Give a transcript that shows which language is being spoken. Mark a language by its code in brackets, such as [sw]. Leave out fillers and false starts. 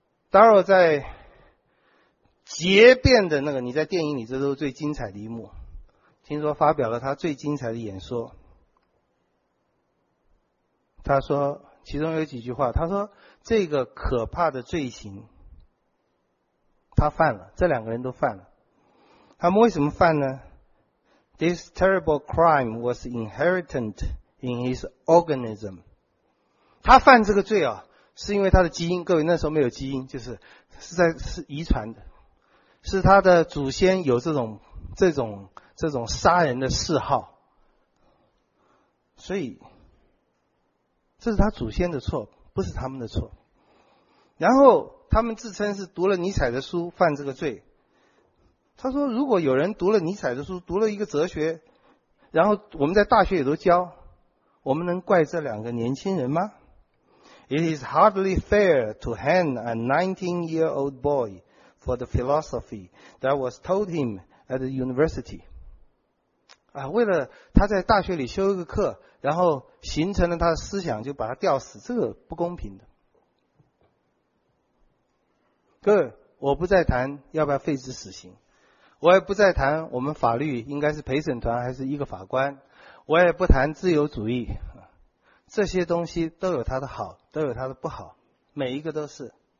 [zh] 当然我在结辩的那个，你在电影里这都是最精彩的一幕，听说发表了他最精彩的演说。他说其中有几句话，他说这个可怕的罪行他犯了，这两个人都犯了。他们为什么犯呢？ [en] This terrible crime was inherited in his organism。 [zh] 他犯这个罪啊，是因为他的基因，各位那时候没有基因，就是是遗传的，是他的祖先有这种杀人的嗜好，所以这是他祖先的错，不是他们的错。然后他们自称是读了尼采的书犯这个罪。他说如果有人读了尼采的书，读了一个哲学，然后我们在大学也都教，我们能怪这两个年轻人吗？ [en] It is hardly fair to hang a 19-year-old boy for the philosophy that was taught him at the university。 [zh] 啊，为了他在大学里修一个课，然后形成了他的思想，就把他吊死，这个不公平的。各位，我不再谈要不要废止死刑，我也不再谈我们法律应该是陪审团还是一个法官，我也不谈自由主义，这些东西都有它的好，都有它的不好，每一个都是。